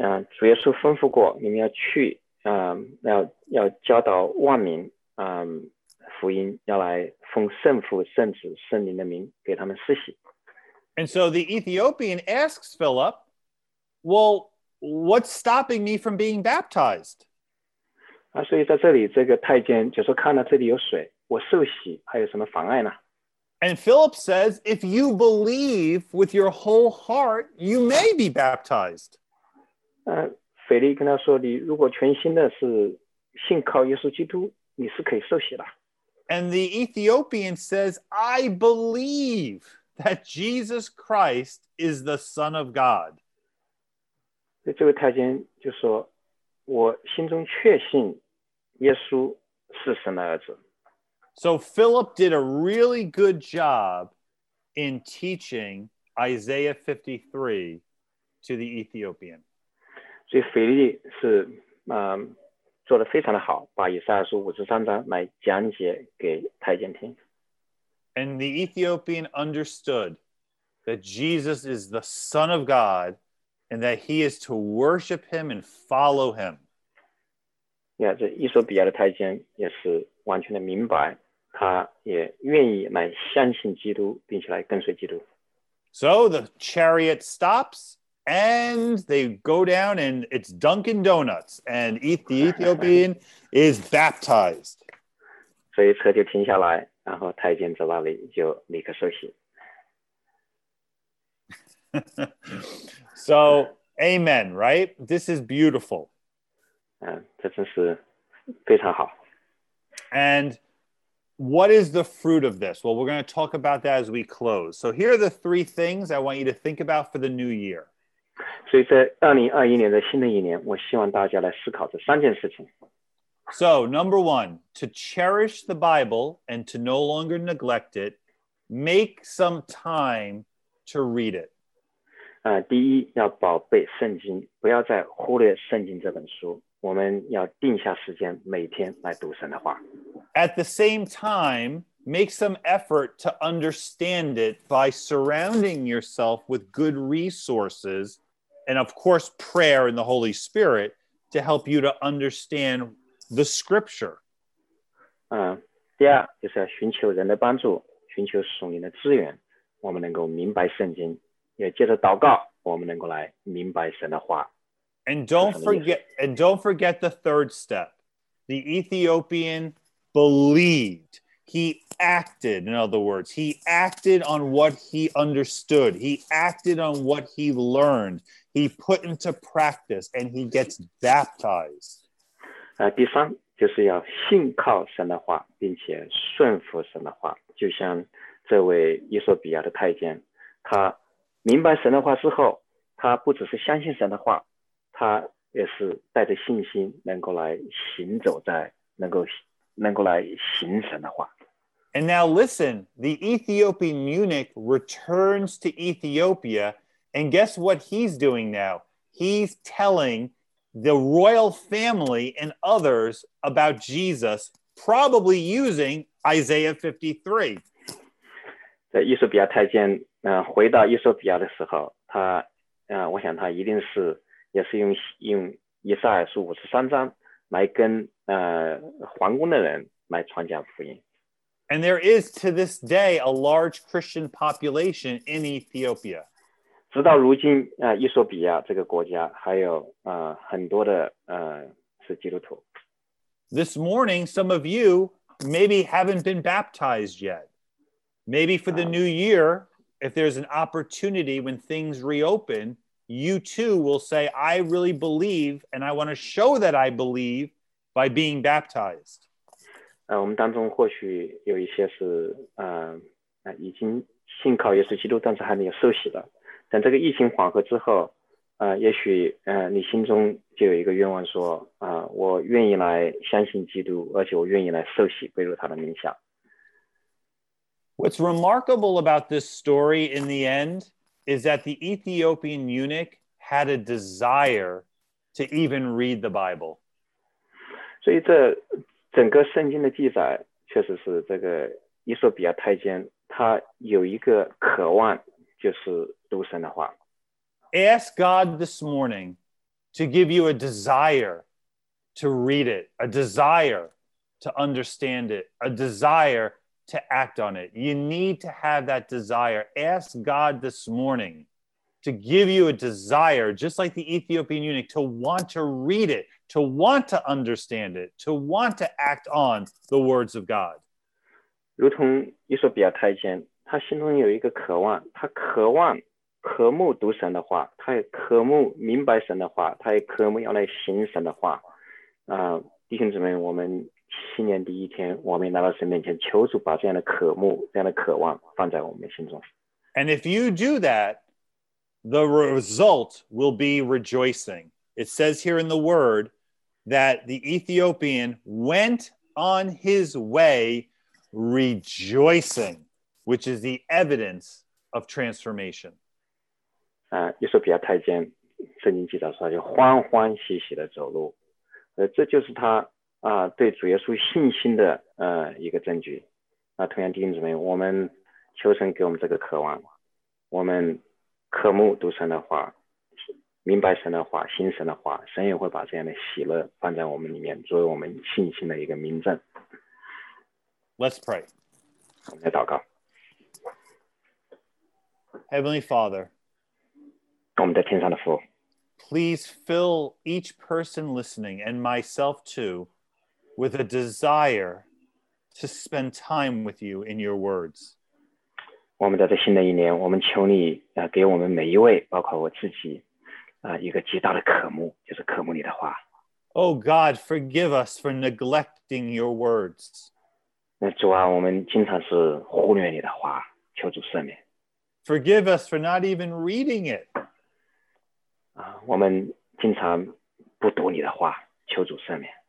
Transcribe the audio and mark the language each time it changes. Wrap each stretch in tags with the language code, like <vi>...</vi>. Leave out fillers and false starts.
<zh>主耶稣吩咐过，你们要去，要教导万民，福音，要来奉圣父、圣子、圣灵的名给他们施洗。</zh> <en>And so the Ethiopian asks Philip, "Well, what's stopping me from being baptized?"</en> <zh>所以在这里，这个太监就说，看到这里有水，我受洗还有什么妨碍呢？</zh> <en>And Philip says, "If you believe with your whole heart, you may be baptized."</en> <zh>腓力跟他说，你如果全心的是信靠耶稣基督，你是可以受洗的。</zh> <en>And the Ethiopian says, "I believe that Jesus Christ is the Son of God."</en> <zh>这位太监就说，我心中确信耶稣是神的儿子。</zh> <en>So Philip did a really good job in teaching Isaiah 53 to the Ethiopian.</en> <zh>所以腓力是做得非常的好，把以赛亚书53章来讲解给太监听。</zh> <en>And the Ethiopian understood that Jesus is the Son of God and that he is to worship him and follow him.</en> <zh>Yeah, 这伊索比亚的太监也是完全的明白，他也愿意来相信基督，并且来跟随基督。</zh> <en>So the chariot stops, and they go down, and it's Dunkin' Donuts, and the Ethiopian is baptized.</en> <zh>所以车就停下来，然后太监在那里就立刻受洗。</zh> <en>So, amen, right? This is beautiful.</en> <zh>这真是非常好。</zh> <en>And what is the fruit of this? Well, we're going to talk about that as we close. So here are the three things I want you to think about for the new year.</en> <zh>所以在2021年的新的一年，我希望大家来思考这三件事情。</zh> <en>So, number one, to cherish the Bible and to no longer neglect it, make some time to read it.</en> <zh>第一，要宝贝圣经，不要再忽略圣经这本书。我们要定下时间每天来读神的话。</zh> <en>At the same time, make some effort to understand it by surrounding yourself with good resources and, of course, prayer and the Holy Spirit to help you to understand the scripture.</en> <zh>第二就是要寻求人的帮助，寻求属灵的资源，我们能够明白圣经，也借着祷告，我们能够来明白神的话。</zh> <en>And don't forget the third step. The Ethiopian believed. He acted, in other words, he acted on what he understood. He acted on what he learned. He put into practice and he gets baptized.</en> <zh>第三就是要信靠神的话，并且顺服神的话。就像这位伊索比亚的太监，他明白神的话之后，他不只是相信神的话，他也是带着信心能够来行走在能够来行神的话。</zh> <en>And now listen, the Ethiopian eunuch returns to Ethiopia, and guess what he's doing now? He's telling the royal family and others about Jesus, probably using Isaiah 53.</en> <zh>在伊索比亚太监回到伊索比亚的时候，他我想他一定是也是用以赛亚书53章来跟皇宫的人来传讲福音。</zh> <en>And there is to this day a large Christian population in Ethiopia.</en> <zh>直到如今，伊索比亚这个国家还有很多的是基督徒。</zh> <en>This morning, some of you maybe haven't been baptized yet. Maybe for the new year, if there's an opportunity when things reopen, you too will say, I really believe, and I want to show that I believe by being baptized.</en> <zh>我们当中或许有一些是已经信靠耶稣基督，但是还没有受洗的。等这个疫情缓和之后，也许你心中就有一个愿望说，我愿意来相信基督，而且我愿意来受洗，归入他的名下。</zh> <en>What's remarkable about this story in the end is that the Ethiopian eunuch had a desire to even read the Bible.</en> <zh>所以这整个圣经的记载确实是这个伊索比亚太监他有一个渴望，就是读神的话。</zh> <en>Ask God this morning to give you a desire to read it, a desire to understand it, a desire to act on it. You need to have that desire. Ask God this morning to give you a desire, just like the Ethiopian eunuch, to want to read it, to want to understand it, to want to act on the words of God.</en> <zh>如同伊索比亚太监，他心中有一个渴望，他渴望渴慕读神的话，他也渴慕明白神的话，他也渴慕要来行神的话。弟兄姊妹，我们新年第一天，我们来到神面前，求主把这样的渴慕、这样的渴望放在我们心中。</zh> <en>And if you do that, the result will be rejoicing. It says here in the word that the Ethiopian went on his way rejoicing, which is the evidence of transformation.</en> <zh>伊索比亚太监，圣经记载说他就欢欢喜喜的走路，这就是他对主耶稣信心的一个证据。那同样弟兄姊妹，我们求神给我们这个渴望，我们渴慕读神的话，明白神的话，行神的话，神也会把这样的喜乐放在我们里面，作为我们信心的一个明证。</zh> <en>Let's pray.</en> <zh>我们来祷告。</zh> <en>Heavenly Father,</en> <zh>我们的天上的父，</zh> <en>please fill each person listening and myself too with a desire to spend time with you in your words.</en> <zh>我们在这新的一年，我们求你给我们每一位，包括我自己一个极大的渴慕，就是渴慕你的话。</zh> <en>Oh God, forgive us for neglecting your words.</en> <zh>那主啊，我们经常是忽略你的话，求主赦免。</zh> <en>Forgive us for not even reading it.</en> <zh>我们经常不读你的话，求主赦免。</zh>